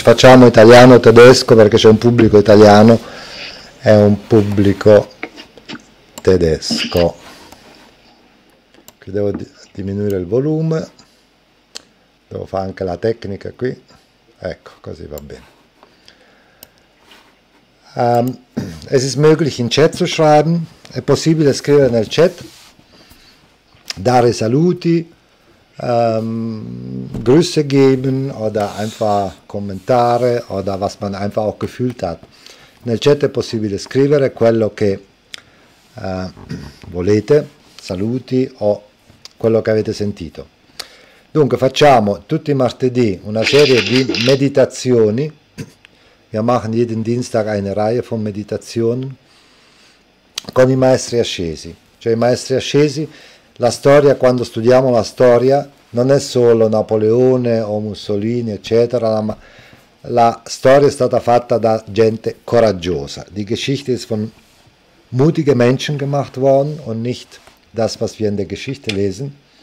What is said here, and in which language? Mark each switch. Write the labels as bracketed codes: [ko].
[it] Facciamo italiano e tedesco perché c'è un pubblico italiano e un pubblico tedesco. Devo diminuire il volume. Devo fare anche la tecnica qui. Ecco, così va bene. [de] Es ist möglich in chat zu schreiben. [it] È possibile scrivere nel chat, dare saluti, [de] Grüße geben oder einfach [it] commentare [de] oder was man einfach auch gefühlt hat. [it] Nel chat è possibile scrivere quello che volete, saluti o quello che avete sentito. Dunque facciamo tutti i martedì una serie di meditazioni. [de] Wir machen jeden Dienstag eine Reihe von Meditationen [it] con i maestri ascesi. Cioè i maestri ascesi, la storia, quando studiamo la storia, non è solo Napoleone o Mussolini, eccetera, ma la storia è stata fatta da gente coraggiosa. [de] Die Geschichte ist von mutigen Menschen gemacht worden und nicht das, was wir in der Geschichte lesen.